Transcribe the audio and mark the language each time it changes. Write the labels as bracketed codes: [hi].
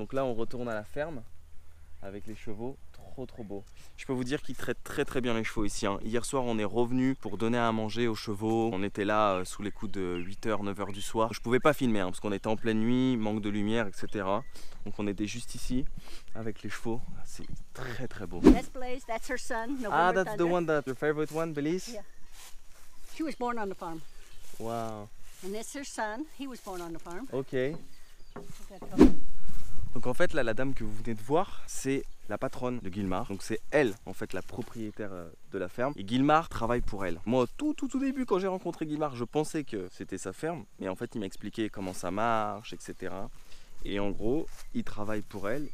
[fr] Donc là on retourne à la ferme avec les chevaux, trop beau. Je peux vous dire qu'ils traitent très bien les chevaux ici, hein. Hier soir on est revenu pour donner à manger aux chevaux, on était là sous les coups de 8h, 9h du soir. Je pouvais pas filmer, hein, parce qu'on était en pleine nuit, manque de lumière, etc. Donc on était juste ici avec les chevaux. C'est très beau. [en] That's Blaze, that's her son. November ah, that's Thunder. The one that your favorite one, Belize. Yeah. She was born on the farm. Wow. And that's her son. He was born on the farm. Okay. [fr] Donc en fait, là, la dame que vous venez de voir, c'est la patronne de Guilmar. Donc c'est elle, en fait, la propriétaire de la ferme. Et Guilmar travaille pour elle. Moi, tout début, quand j'ai rencontré Guilmar, je pensais que c'était sa ferme. Mais en fait, il m'a expliqué comment ça marche, etc. Et en gros, il travaille pour elle.